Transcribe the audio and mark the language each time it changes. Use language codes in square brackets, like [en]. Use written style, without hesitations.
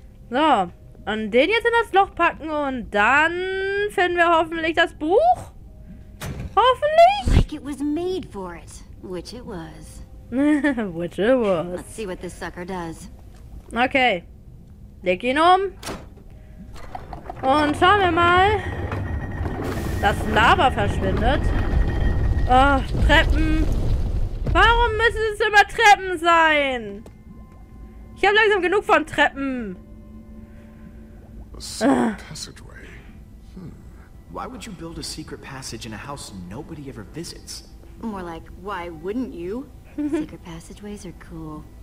[de] So, und den jetzt in das Loch packen und dann finden wir hoffentlich das Buch. Hoffentlich. [en] Like it was made for it, which it was. Which it was. Let's see what this sucker does. [de] Okay. Leg ihn um. Und schauen wir mal. Das Lava verschwindet. Oh, Treppen. Warum müssen es immer Treppen sein? Ich habe langsam genug von Treppen. [en] A passageway. Why would you build a secret passage in a house nobody ever visits? More like, why wouldn't you? Secret passageways are cool.